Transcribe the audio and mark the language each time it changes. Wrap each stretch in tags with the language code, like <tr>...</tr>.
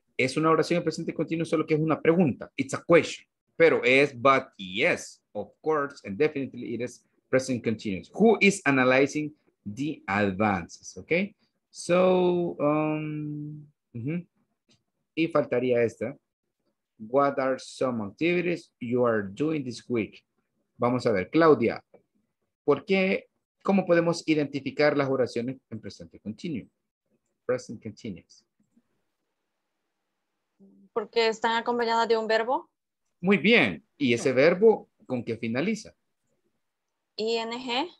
<es>Es una oración en presente continuo, solo que es una pregunta.</es> <en>It's a question.</en> <es>Pero es,</es> <en>but yes, of course, and definitely it is present continuous. Who is analyzing the advances? Okay.</en> <es>So, y faltaría esta.</es> <en>What are some activities you are doing this week?</en> <es>Vamos a ver, Claudia. ¿Por qué? ¿Cómo podemos identificar las oraciones en presente continuo?</es> <en>Present continuous.</en> <es>Porque están acompañadas de un verbo. Muy bien. ¿Y ese verbo con qué finaliza? ING.</es>